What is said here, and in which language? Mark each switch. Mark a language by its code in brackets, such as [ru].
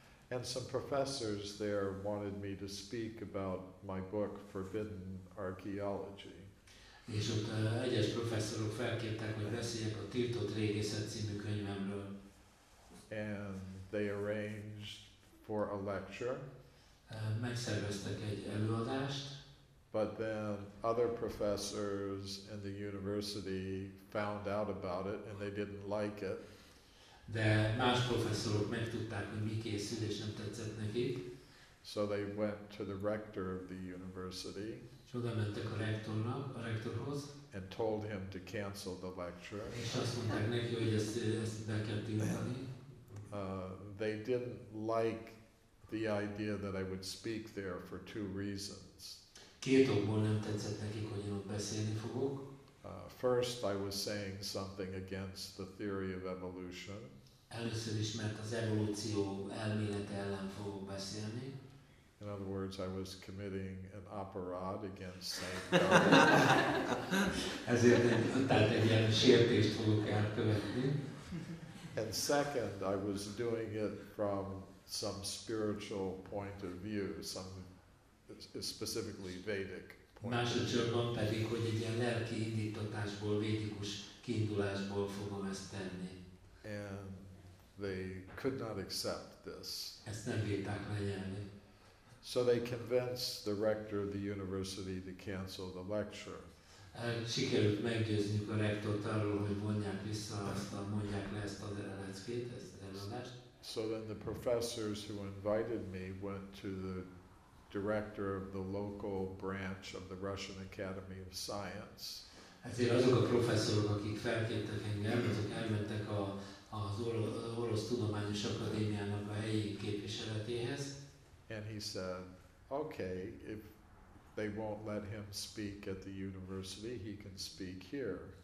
[en] And some professors there wanted me to speak about my book, Forbidden Archaeology. [hu] És ott egyes professzorok felkértek, hogy beszéljek a Tiltott Régészet című könyvemről. [en] And they arranged for a lecture. [hu] Megszerveztek egy előadást. [en] But then other professors in the university found out about it and they didn't like it. [hu] De más professzorok megtudták, hogy mi készül, és nem tetszett nekik. [en] So they went to the rector of the university. [hu] És oda mentek a rektornak, a rektorhoz. [en] And told him to cancel the lecture. [hu] És azt mondták neki, hogy ezt be kell tiltani. [en] They didn't like the idea that I would speak there for two reasons. [hu] Két okból nem tetszett nekik, hogy én ott beszélni fogok. [en] First, I was saying something against the theory of evolution. [hu] Először is, mert az evolúció elmélete ellen fogok beszélni. [en] In other words, I was committing an operad against Saint God. [hu] Ezért tehát egy ilyen sértést fogok elkövetni. [en] And second, I was doing it from some spiritual point of view, some specifically Vedic. [hu] Másodszorban pedig, hogy egy ilyen lelki indítatásból, védikus kiindulásból fogom ezt tenni. [en] And they could not accept this. [hu] Ezt nem bírták lenyelni. [en] So they convinced the rector of the university to cancel the lecture. [hu] Sikerült meggyőzni a rektort arról, hogy mondják vissza azt a, mondják le ezt az eleckét, ezt az előadást. [en] So then the professors who invited me went to the director of the local branch of the Russian Academy of Science. [hu] Ezért azok a professzorok, akik felkértek engem, azok elmentek az Orosz Tudományos Akadémiának a helyi képviseletéhez. [en] And he said, okay, if they won't let him speak at the university, he can speak here.